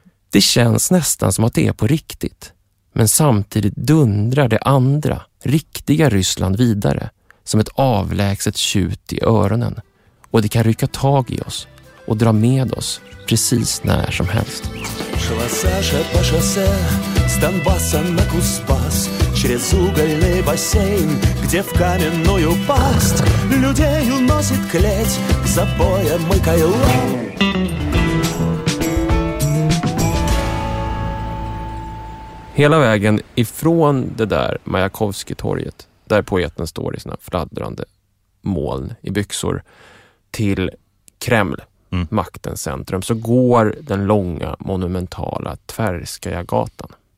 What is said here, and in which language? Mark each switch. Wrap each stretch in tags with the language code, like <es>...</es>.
<sv>Det känns nästan som att det är på riktigt. Men samtidigt dundrar det andra, riktiga Ryssland vidare, som ett avlägset tjut i öronen. Och det kan rycka tag i oss och dra med oss precis när som helst.</sv> <ru>Шла Саша по шоссе с Донбасса на Кузбасс через угольный бассейн, где в каменную пасть людей уносит клеть к забоям и кайлам.</ru> <sv>Hela vägen ifrån det där Majakovskitorget, där poeten står i sina fladdrande moln i byxor, till Kreml, maktens centrum, så går den långa, monumentala Tverskaja gatan.</sv>